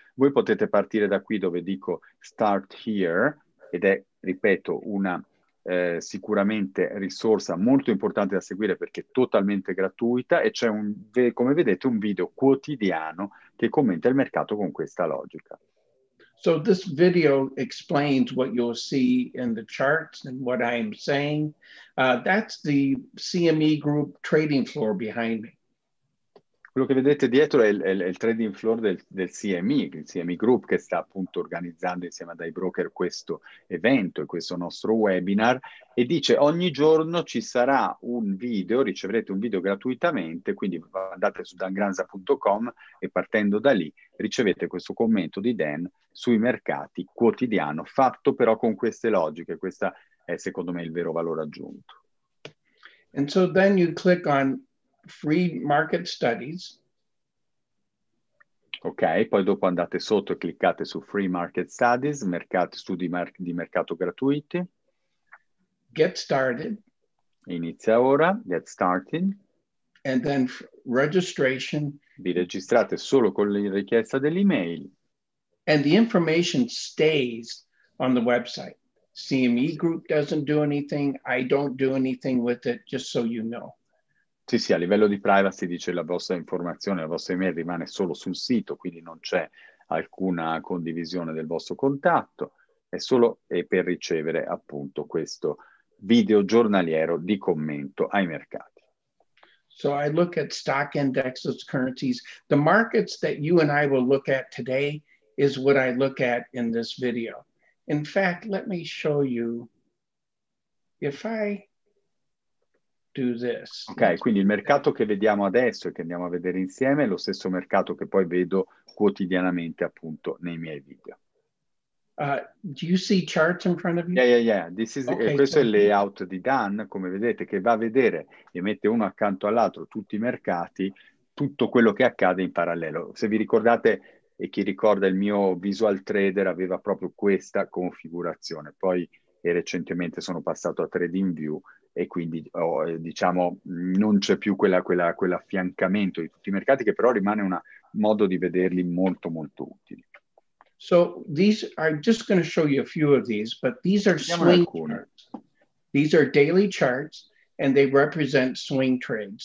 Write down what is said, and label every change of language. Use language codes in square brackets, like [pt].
[it] Voi potete partire da qui dove dico [en] start here, [it] ed è, ripeto, una... sicuramente risorsa molto importante da seguire perché è totalmente gratuita e c'è un, come vedete, un video quotidiano che commenta il mercato con questa logica. [en] So this video explains what you'll see in the charts and what I am saying. That's the CME Group trading floor behind me. [it] Quello che vedete dietro è il trading floor del CME, il CME Group, che sta appunto organizzando insieme ai broker questo evento e questo nostro webinar, e dice: ogni giorno ci sarà un video, riceverete un video gratuitamente, quindi andate su dangranza.com e partendo da lì ricevete questo commento di Dan sui mercati quotidiano, fatto però con queste logiche. Questo è secondo me il vero valore aggiunto. [en] And so then you click on free market studies. [it] Ok, poi dopo andate sotto e cliccate su [en] free market studies, [it] studi di mercato gratuiti. [en] Get started. [it] Inizia ora, [en] get started. And then registration. [it] Vi registrate solo con la richiesta dell'email. [en] And the information stays on the website. CME Group doesn't do anything, I don't do anything with it, just so you know. [it] Sì, sì, a livello di privacy, dice, la vostra informazione, la vostra email rimane solo sul sito, quindi non c'è alcuna condivisione del vostro contatto, è per ricevere appunto questo video giornaliero di commento ai mercati. [en] So I look at stock indexes, currencies, the markets that you and I will look at today is what I look at in this video. In fact, let me show you, if I do this. [it] Ok, quindi il mercato che vediamo adesso e che andiamo a vedere insieme è lo stesso mercato che poi vedo quotidianamente appunto nei miei video. [en] Do you see charts in front of you? Yeah. [it] Questo è il layout di Dan, come vedete, che va a vedere e mette uno accanto all'altro tutti i mercati, tutto quello che accade in parallelo. Se vi ricordate, e chi ricorda, il mio Visual Trader aveva proprio questa configurazione. Poi recentemente sono passato a TradingView e quindi diciamo non c'è più quell'affiancamento di tutti i mercati, che però rimane un modo di vederli molto molto utile. [en] So these are just going to show you a few of these, but these are swing charts. These are daily charts and they represent swing trades.